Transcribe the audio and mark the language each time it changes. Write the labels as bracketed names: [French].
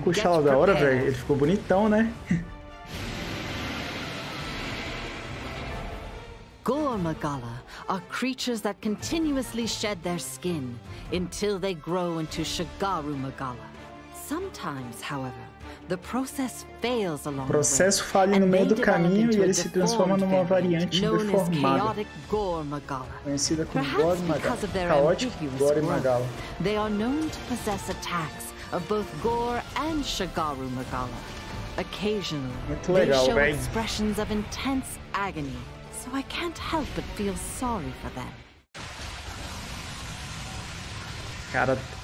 [Portuguese] vamos puxar ela da hora, velho. Ele ficou bonitão, né? [English] Gormagala are creatures that continuously shed their skin until they grow into Shigaru Magala. Sometimes, however, the process fails along the [Portuguese] processo falha no meio do caminho e ele se transforma numa variante deformada, conhecida como Gormagala. [English] They are known to possess attacks of both Gore and Shigaru Magala. Occasionally, [Portuguese] muito legal, [English] they show [Portuguese] véio [English] expressions of intense agony, so I can't help but feel sorry for them. [Portuguese] Cara...